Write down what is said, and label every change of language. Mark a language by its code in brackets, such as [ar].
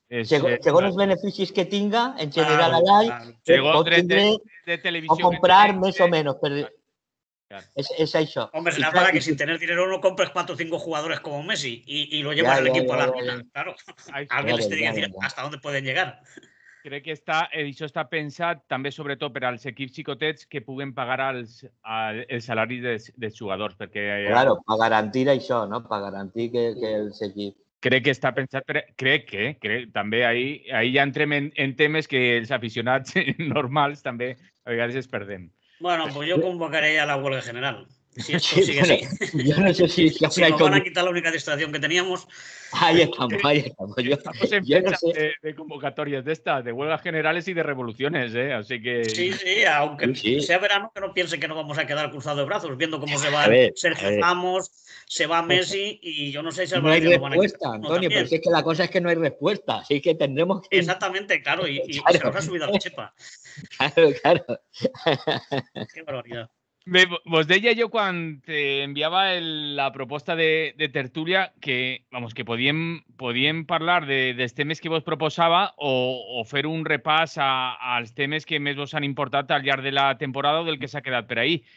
[es] Según los beneficios que tenga, en general, a LAI, de televisión, o comprar más o menos. Es eso. Hombre, será para que sin tener dinero no compres 4 o 5 jugadores como Messi y lo llevas al equipo a la ruina. Claro. Alguien les tiene que decir hasta dónde pueden llegar. [ca] Crec que està, això està pensat també sobretot per als equips xicotets que puguen pagar els salaris dels jugadors. Perquè, claro, per garantir això, no? Per garantir que els equips... Crec que està pensat, crec que també ahí ja entrem en temes que els aficionats normals també a vegades es perdem. [es] Bueno, pues yo convocaré a la huelga general. Si esto sigue así. Yo no sé si nos van a quitar la única distracción que teníamos. Ahí estamos. Estamos en fecha de convocatorias de estas, de huelgas generales y de revoluciones, ¿eh? Así que... Sí, aunque sea verano, que no piense que no vamos a quedar cruzados de brazos, viendo cómo se va Sergio Ramos, se va Messi y yo no sé si... No hay respuesta, van a Antonio, pero es que la cosa es que no hay respuesta, así que tendremos que... Exactamente, claro, y claro. Se nos ha subido a la chepa. Claro. Qué barbaridad. [ca] Vos deia jo quan te enviava la proposta de tertúlia que, vamos, que podíem parlar dels temes que vos proposava o fer un repàs als temes que més vos han importat al llarg de la temporada o del que s'ha quedat per ahí.